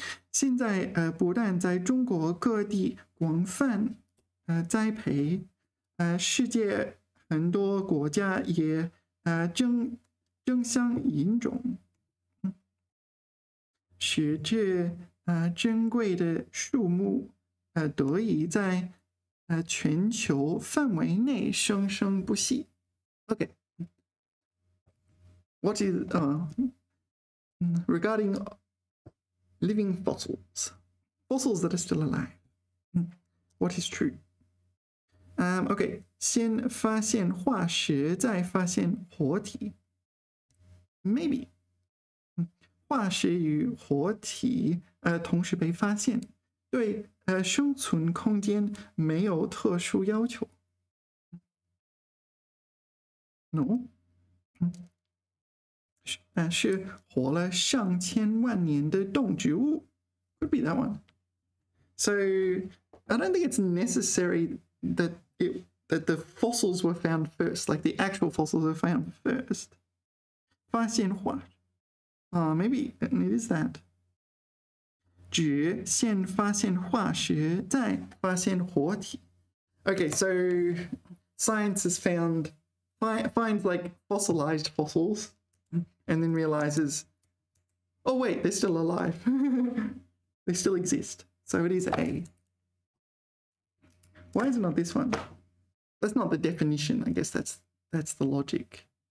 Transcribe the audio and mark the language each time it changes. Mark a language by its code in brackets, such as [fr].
[zh] 现在不但在中国各地广泛栽培，世界很多国家也争相引种，使这珍贵的树木得以在全球范围内生生不息。 [en] OK, what is regarding living fossils, fossils that are still alive, what is true? [zh] OK, 先发现化石再发现活体。 [en] Maybe. [zh] 化石与活体同时被发现，对生存空间没有特殊要求。 [en] No? [zh] 是活了上千万年的动植物。 [en] Could be that one. So, I don't think it's necessary that the fossils were found first, like the actual fossils were found first. [zh] 发现化石。 [en] Maybe it is that. [zh] 只先发现化石再发现活体。 [en] Okay, so science has found, finds like fossilized fossils and then realizes, oh wait, they're still alive. They still exist. So it is A. Why is it not this one? That's not the definition, I guess that's the logic.